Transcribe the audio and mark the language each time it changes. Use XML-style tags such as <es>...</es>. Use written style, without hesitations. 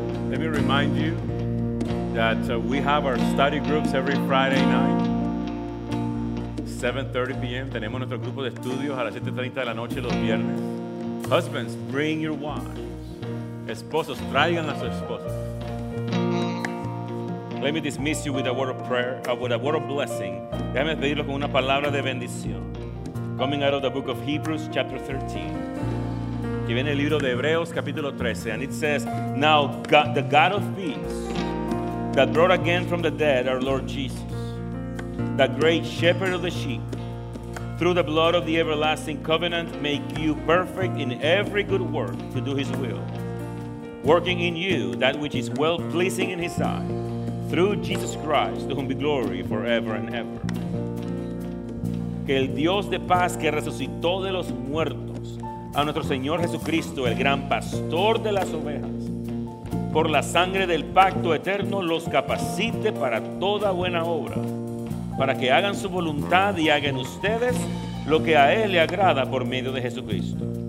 <en>that we have our study groups every Friday night, 7:30 p.m.</en> <es>Tenemos nuestro grupo de estudios a las 7:30 de la noche los viernes.</es> <en>Husbands, bring your wives.</en> <es>Esposos, traigan a sus esposas.</es> <en>Let me dismiss you with a word of prayer, with a word of blessing.</en> <es>Déjame despedirlo con una palabra de bendición.</es> <en>Coming out of the book of Hebrews, chapter 13.</en> <es>Que viene el libro de Hebreos, capítulo 13.</es> <en>And it says, now God, the God of peace, that brought again from the dead our Lord Jesus, the great shepherd of the sheep, through the blood of the everlasting covenant, make you perfect in every good work to do his will. Working in you that which is well-pleasing in his sight, through Jesus Christ, to whom be glory forever and ever.</en> <es>Que el Dios de paz que resucitó de los muertos a nuestro Señor Jesucristo, el gran pastor de las ovejas, por la sangre del pacto eterno los capacite para toda buena obra, para que hagan su voluntad y hagan ustedes lo que a Él le agrada por medio de Jesucristo.</es>